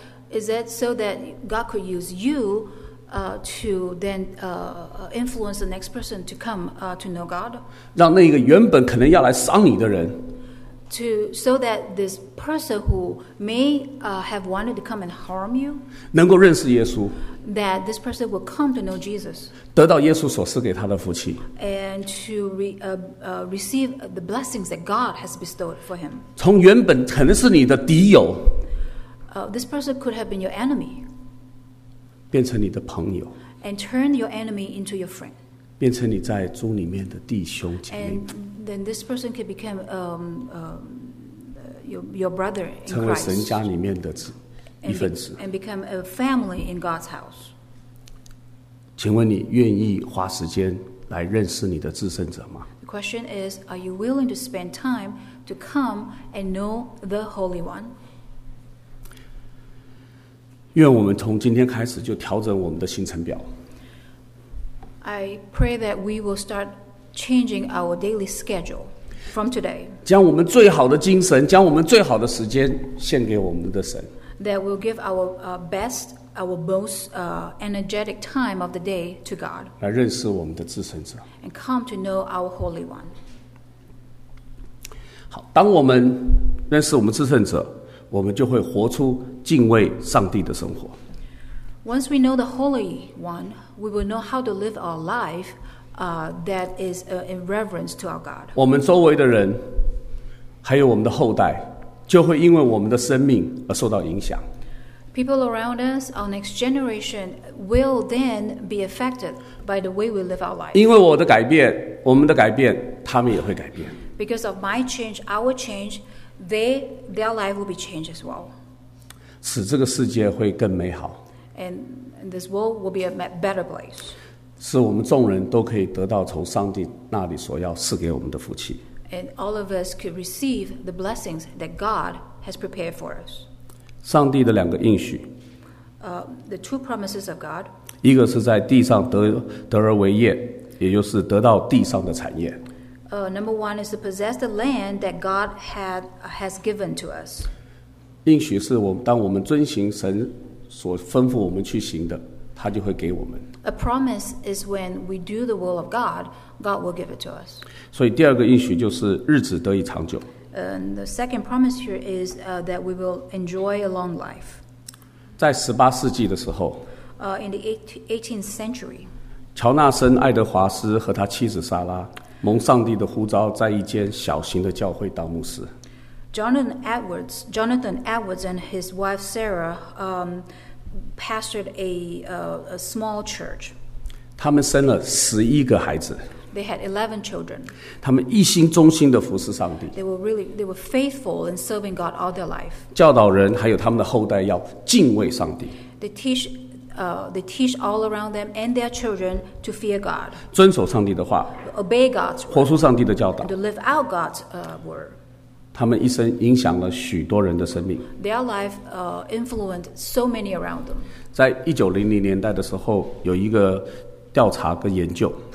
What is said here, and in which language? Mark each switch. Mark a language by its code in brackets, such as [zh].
[en] Is it so that God could use you to then influence the next person to come to know God? [zh] 让那个原本可能要来伤你的人。 [en] So that this person who may have wanted to come and harm you [zh] 能够认识耶稣。 [en] That this person will come to know Jesus. [zh] 得到耶稣所赐给他的福气。 [en] And to receive the blessings that God has bestowed for him. [zh] 从原本可能是你的敌友。 [en] This person could have been your enemy. [zh] 变成你的朋友。 [en] And turn your enemy into your friend. [zh] 变成你在主里面的弟兄姐妹。 [en] And then this person could become your brother in Christ. [zh] 成为神家里面的子。 [en] And become a family in God's house. [zh] 请问你愿意花时间来认识你的至圣者吗？ [en] The question is, are you willing to spend time to come and know the Holy One? [zh] 愿我们从今天开始就调整我们的行程表。 [en] I pray that we will start changing our daily schedule from today. [zh] 将我们最好的精神，将我们最好的时间献给我们的神。 [en] That will give our best, our most energetic time of the day to God. [zh] 来认识我们的至圣者。 [en] And come to know our Holy One. [zh] 好，当我们认识我们至圣者，我们就会活出敬畏上帝的生活。 [en] Once we know the Holy One, we will know how to live our life that is in reverence to our God. [zh] 我们周围的人，还有我们的后代。就会因为我们的生命而受到影响。 [en] People around us, our next generation, will then be affected by the way we live our life. [zh] 因为我的改变，我们的改变，他们也会改变。 [en] Because of my change, our change, their life will be changed as well. [zh] 使这个世界会更美好。 [en] And this world will be a better place. [zh] 使我们众人都可以得到从上帝那里所要赐给我们的福气。 [en] And all of us could receive the blessings that God has prepared for us. [zh] 上帝的两个应许。 [en] The two promises of God. [zh] 一个是在地上得而为业，也就是得到地上的产业。 [en] Number one is to possess the land that God has given to us. [zh] 应许是当我们遵行神所吩咐我们去行的，他就会给我们。 [en] A promise is when we do the will of God, God will give it to us. [zh] 所以第二个应许就是日子得以长久。 [en] And the second promise here is that we will enjoy a long life. [zh] 在十八世纪的时候。 [en] In the 18th century. [zh] 乔纳森·爱德华斯和他妻子莎拉蒙上帝的呼召，在一间小型的教会当牧师。 [en] Jonathan Edwards and his wife Sarah pastored a small church. [zh] 他们生了11个孩子。 [en] They had 11 children. [zh] 他们一心忠心地服侍上帝。 [en] They were faithful in serving God all their life. [zh] 教导人还有他们的后代要敬畏上帝。 [en] They teach all around them and their children to fear God. [zh] 遵守上帝的话。 [en] Obey God's word. [zh] 活出上帝的教导。 [en] To live out God's word. [zh] 他们一生影响了许多人的生命。 [en] Their life influenced so many around them. [zh] 在1900年代的时候，有一个调查跟研究。